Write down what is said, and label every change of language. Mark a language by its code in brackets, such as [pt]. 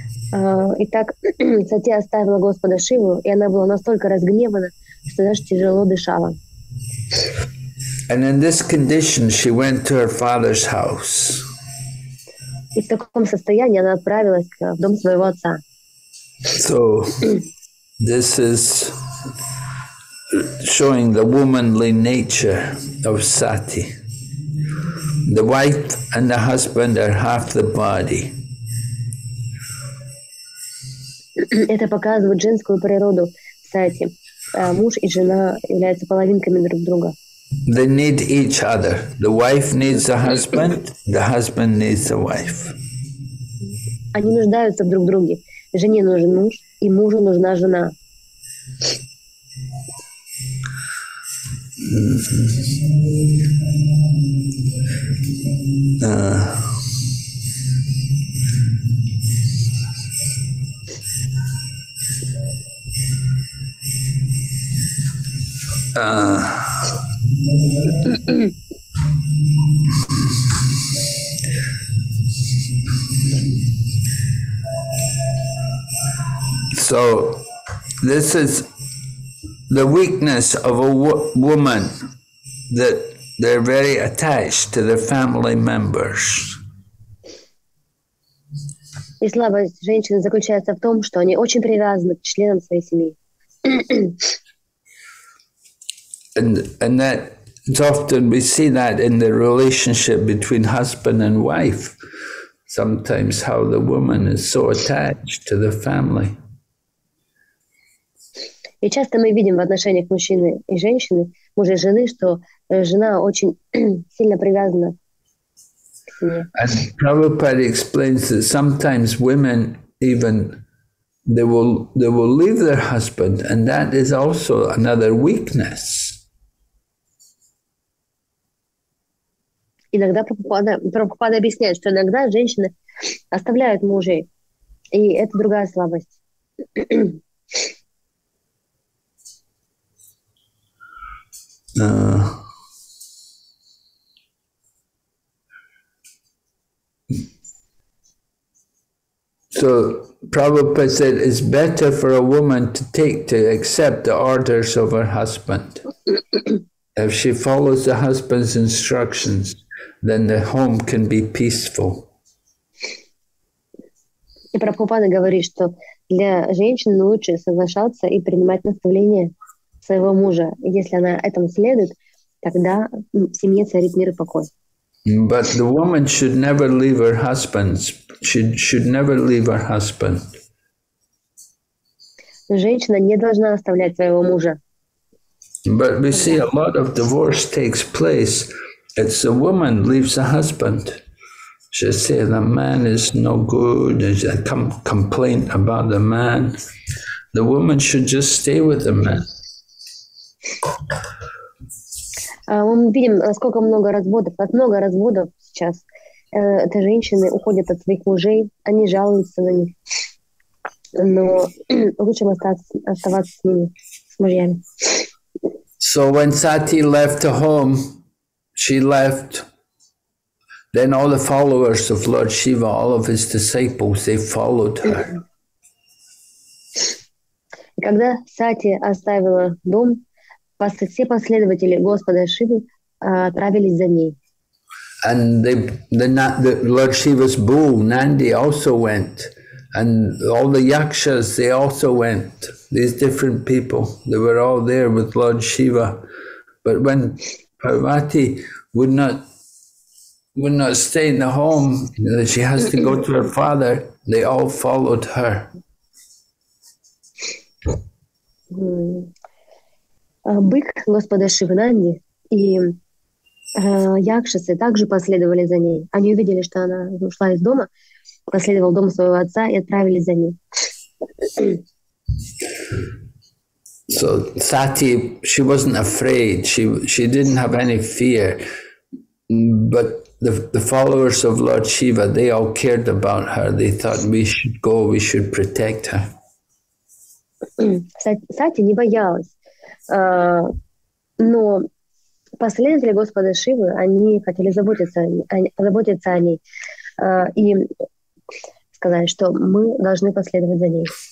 [ru] Итак, Сати оставила Господа Шиву, и она была настолько разгневана, что даже тяжело дышала. [en] And in this condition, she went to her father's house. [ru] И в таком состоянии она отправилась в дом своего отца. [en] So, this is showing the womanly nature of Sati. The wife and the husband are half the body. [ru] Это показывает женскую природу Сати. Муж и жена являются половинками друг друга. [en] They need each other. The wife needs the husband needs the wife. [ru] Они нуждаются друг в друге. Жене нужен муж, и мужу нужна жена. [en] So this is the weakness of a woman, that they're very attached to their family members. [ru] И слабость женщины заключается в том, что они очень привязаны к членам своей семьи. [en] And that it's often we see that in the relationship between husband and wife, sometimes how the woman is so attached to the family. [ru] И часто мы видим в отношениях мужчины и женщины, мужа и жены, что жена очень сильно привязана к себе. [en] And Prabhupada explains that sometimes women even they will leave their husband, and that is also another weakness. [ru] Иногда Прабхупада объясняет, что иногда женщины оставляют мужей, и это другая слабость. [en] So Prabhupada said it's better for a woman to take to accept the orders of her husband. If she follows the husband's instructions, then the home can be peaceful. [ru] И Прабхупада говорит, что для женщины лучше соглашаться и принимать наставления своего мужа. Если она этому следует, тогда в семье царит мир и покой. [en] But the woman should never leave her husband. She should never leave her husband. [ru] Женщина не должна оставлять своего мужа. [en] But we see a lot of divorce takes place. It's a woman leaves a husband. She says the man is no good, there's a complaint about the man. The woman should just stay with the man. [ru] Мы видим, сколько много разводов, как много разводов сейчас. Это женщины уходят от своих мужей, они жалуются на них. Но лучше оставаться с ними, с мужьями. [en] So when Sati left the home, she left, then all the followers of Lord Shiva, all of his disciples, they followed her. [ru] Когда Сати оставила дом, все последователи Господа Шивы отправились за ней. [en] And the Lord Shiva's bull, Nandi, also went. And all the Yakshas, they also went. These different people, they were all there with Lord Shiva. But when Parvati would not stay in the home, she has to go to her father, they all followed her. [ru] Бык Господа Шиванди и Якшасы также последовали за ней. Они увидели, что она ушла из дома, последовал дом своего отца и отправились за ней. [en] So Sati, she wasn't afraid. She didn't have any fear. But the followers of Lord Shiva, they all cared about her. They thought we should go. We should protect her. [ru] Сати не боялась, но последователи Господа Шивы, они хотели заботиться о ней и сказали, что мы должны последовать за ней.